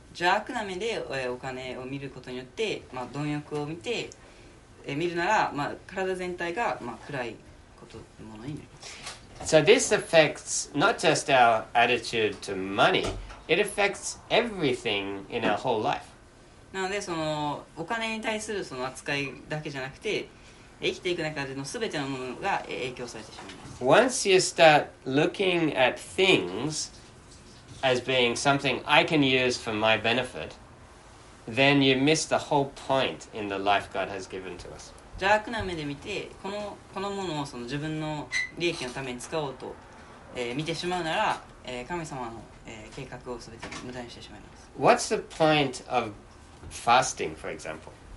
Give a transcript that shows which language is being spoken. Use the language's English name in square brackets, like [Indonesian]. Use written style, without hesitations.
[Japanese] 邪悪な目でお金を見ることによって、まあ、貪欲を見て、見るなら、まあ、体全体が、まあ、暗いことのものになります。 [English] So this affects not just our attitude to money, it affects everything in our whole life. [Japanese] なので、そのお金に対するその扱いだけじゃなくて、生きていく中での全てのものが影響されてしまいます。 [English] Once you start looking at thingsas being something I can use for my benefit, then you miss the whole point in the life God has given to us. [Japanese] 邪悪な目で見て、このものをその自分の利益のために使おうと、見てしまうなら、神様の、計画をすべて無駄にしてしまいます。 [English] What's the point of fasting, for example?